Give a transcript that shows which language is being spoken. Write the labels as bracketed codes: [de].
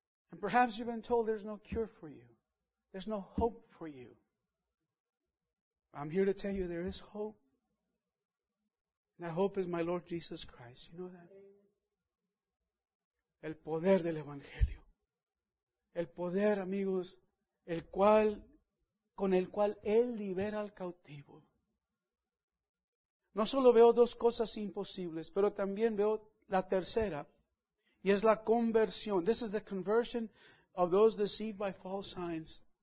[en] And perhaps you've been told there's no cure for you. There's no hope for you. I'm here to tell you there is hope. And that hope is my Lord Jesus Christ. You know that? [es] El poder del Evangelio. El poder, amigos, con el cual Él libera al cautivo. No solo veo dos cosas imposibles, pero también veo la tercera, y es la conversión. [en] This is the conversion of those deceived by false signs.